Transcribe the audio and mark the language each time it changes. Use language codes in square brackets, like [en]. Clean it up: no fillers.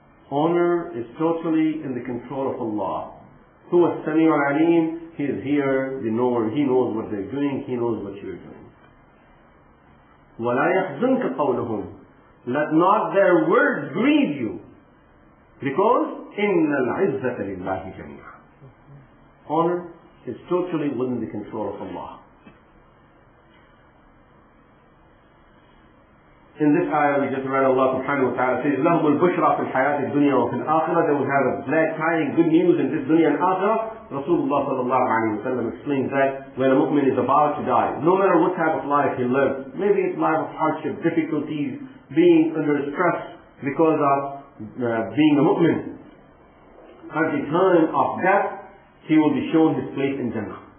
[en] Honor is totally in the control of Allah. [ar] هُوَ السَّمِيعُ الْعَلِيمُ. [en] He is here, the knower. He knows what they're doing, he knows what you're doing. [ar] وَلَا يَحْزُنْكَ قَوْلُهُمْ. [en] Let not their words grieve you. Because [ar] إِنَّ الْعِزَّةَ لِلَّهِ جَمِيعًا. [en] Honor is totally within the control of Allah. In this ayah we just read, Allah subhanahu wa ta'ala says, [ar] لَهُمُ الْبُشْرَى فِي الْحَيَاةِ الدُّنْيَا وَفِي الْآخِرَةِ. [en] They will have a glad tidings, good news in this dunya and akhirah. Rasulullah sallallahu alayhi wa sallam explains that when a mu'min is about to die, no matter what type of life he lives, maybe it's life of hardship, difficulties, being under stress because of being a mu'min, at the time of death, he will be shown his place in Jannah.